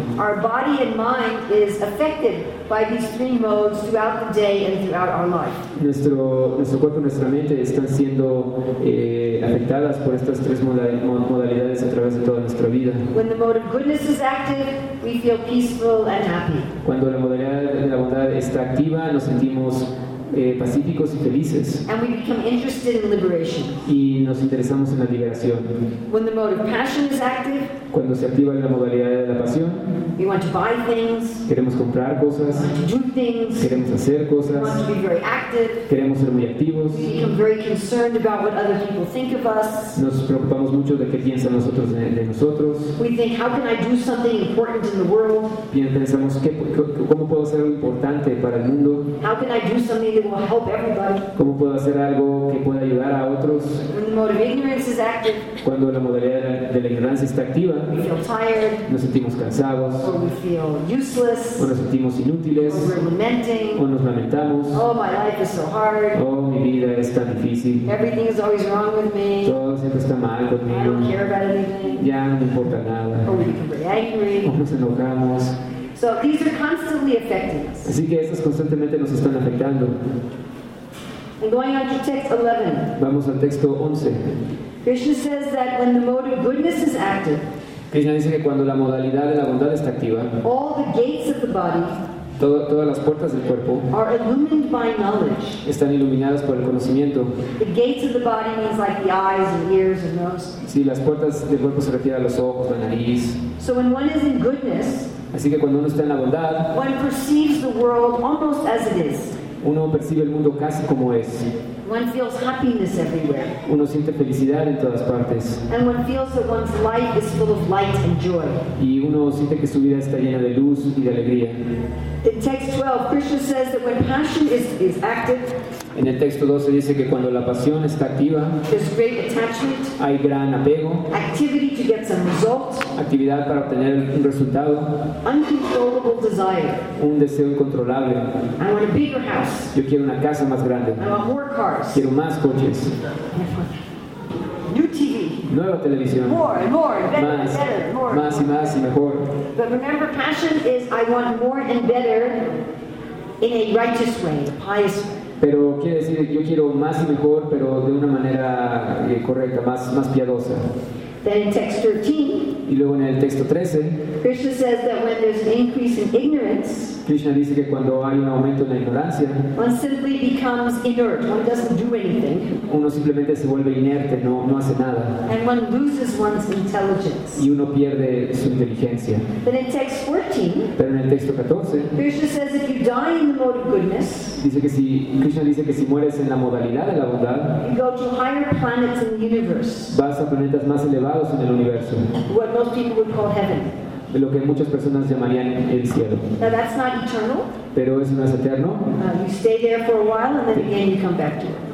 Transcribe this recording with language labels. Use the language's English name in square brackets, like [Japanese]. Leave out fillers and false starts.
[English] Our body and mind is affected by these three modes throughout the day and throughout our life. [Spanish] Nuestro cuerpo y nuestra mente están siendo afectadas por estas tres modalidades a través de toda nuestra vida. [English] When the mode of goodness is active, we feel peaceful and happy. [Spanish] Cuando la modalidad de la bondad está activa, nos sentimos pacíficos y felices. [English] And we become interested in liberation. [Spanish] Y nos interesamos en la liberación. [English] When the mode of passion is active, [Spanish] cuando se activa la modalidad de la pasión, [English] we want to buy things, [Spanish] queremos comprar cosas, [English] we want to do things, [Spanish] queremos hacer cosas, [English] we want to be very active, [Spanish] queremos ser muy activos, [English] we become very concerned about what other people think of us. [Spanish] Nos preocupamos mucho de qué piensan nosotros de nosotros. [English] We think, how can I do something important in the world? [Spanish] Pensamos, ¿cómo puedo hacer algo importante para el mundo? [English] How can I do something that will help everybody? [Spanish] ¿Cómo puedo hacer algo que pueda ayudar a otros? [English] When the mode of ignorance is active, [Spanish] cuando la modalidad de la ignorancia está activa, [English] we feel tired, [Spanish] nos sentimos cansados, [English] or we feel useless, [Spanish] o nos sentimos inútiles, [English] or we're lamenting, [Spanish] o nos lamentamos, [English] oh, my life is so hard, [Spanish] oh, mi vida es tan difícil, [English] everything is always wrong with me, [Spanish] todo siempre está mal conmigo, [English] I don't care about anything, [Spanish] ya no importa nada, [English] or we become angry, [Spanish] o nos enojamos. [English] So these are constantly affecting us. [Spanish] Así que estas constantemente nos están afectando. [English] And going on to text 11. [Spanish] Vamos al texto 11. [English] Krishna says that when the mode of goodness is active, [Spanish] Krishna dice que cuando la modalidad de la bondad está activa, [English] all the gates of the body, [Spanish] todas las puertas del cuerpo, [English] are illumined by knowledge. [Spanish] Están iluminadas por el conocimiento. [English] The gates of the body means like the eyes and ears and nose. [Spanish] Sí, las puertas del cuerpo se refieren a los ojos, la nariz. [English] So when one is in goodness, [Spanish] así que cuando uno está en la bondad, [English] one perceives the world almost as it is. [Spanish] Uno percibe el mundo casi como es. [English] One feels happiness everywhere. [Spanish] Uno siente felicidad en todas partes. [English] And one feels that one's life is full of light and joy. [Spanish] Y uno siente que su vida está llena de luz y de alegría. [English] In text 12, Krishna says that when passion is active, [Spanish] en el texto 12 dice que cuando la pasión está activa, [English] there's great attachment, [Spanish] hay gran apego, [English] activity to get some result, [Spanish] actividad para obtener un resultado, [English] uncontrollable desire, [Spanish] un deseo incontrolable, [English] I want a bigger house, [Spanish] yo quiero una casa más grande, [English] I want more cars, [Spanish] quiero más coches, [English] new TV, [Spanish] nueva televisión, [English] more and more, better, más, better, more, [Spanish] más y más y mejor. [English] But remember, passion is I want more and better in a righteous way, a pious way. [Spanish] Pero quiere decir, yo quiero más y mejor, pero de una manera correcta, más piadosa. [English] Then in text 13, [Spanish] y luego en el texto 13, [English] Krishna says that when there's an increase in ignorance, [Spanish] Krishna dice que cuando hay un aumento en la ignorancia, [English] one simply becomes inert, one doesn't do anything. [Spanish] Uno simplemente se vuelve inerte, no hace nada. [English] And one loses one's intelligence. [Spanish] Y uno pierde su inteligencia. [English] Then in text 14, [Spanish] pero en el texto 14, [English] Krishna says if you die in the mode of goodness, [Spanish] dice que si, Krishna dice que si mueres en la modalidad de la bondad, [English] you go to higher planets in the universe, [Spanish] vas a planetas más elevados en el universo. [English] What most people would call heaven. [Spanish] De lo que muchas personas llamarían el cielo. [English] Now that's not eternal. [Spanish] Pero eso no es eterno. [English] You stay there for a while and then again you come back to it.